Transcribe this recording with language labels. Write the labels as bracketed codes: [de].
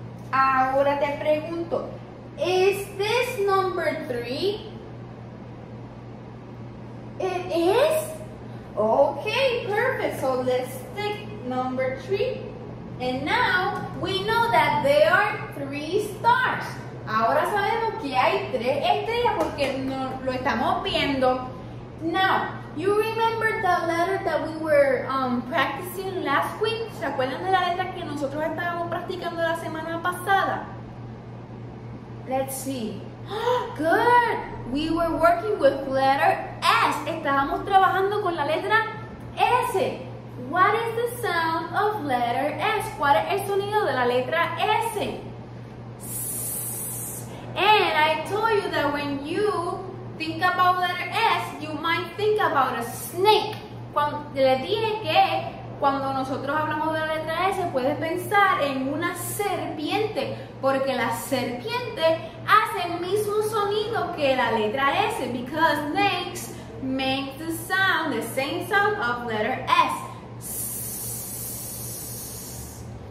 [en] Ahora te pregunto. Is this number three? It is? Okay, perfect. So let's stick number three. And now, we know that there are three stars. [es] Ahora sabemos que hay tres estrellas porque no, lo estamos viendo. [en] Now, you remember the letter that we were practicing last week? [es] ¿Se acuerdan de la letra que nosotros estábamos practicando la semana pasada? [en] Let's see. Good! We were working with letter S. Estábamos trabajando con la letra S. What is the sound of letter S? [es] ¿Cuál es el sonido de la letra S? [en] And I told you that when you think about letter S, you might think about a snake. [es] Le dije que cuando nosotros hablamos de la letra S, puedes pensar en una serpiente, porque la serpiente hace el mismo sonido que la letra S, because snakes make the sound, the same sound of letter S.